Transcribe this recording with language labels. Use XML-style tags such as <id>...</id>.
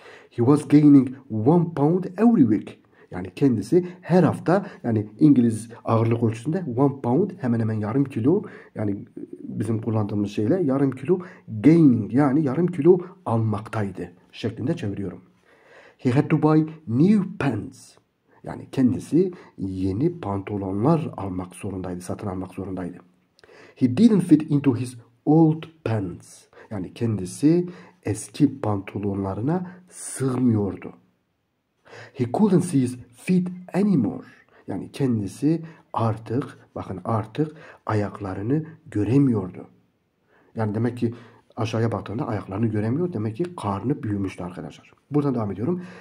<en>He was gaining 1 pound every week</en> <tr>yani kendisi her hafta yani İngiliz ağırlık ölçüsünde 1 pound hemen hemen yarım kilo yani bizim kullandığımız şeyle yarım kilo gaining yani yarım kilo almaktaydı şeklinde çeviriyorum.</tr> <en>He had to buy new pants.</en> <tr>Yani kendisi yeni pantolonlar almak zorundaydı, satın almak zorundaydı.</tr> <en>He didn't fit into his old pants.</en> <tr>Yani kendisi eski pantolonlarına sığmıyordu.</tr> <en>He couldn't see his feet anymore.</en> <tr>Yani kendisi artık, bakın artık ayaklarını göremiyordu. Yani demek ki aşağıya baktığında ayaklarını göremiyor. Demek ki karnı büyümüştü arkadaşlar. Buradan devam ediyorum.</tr>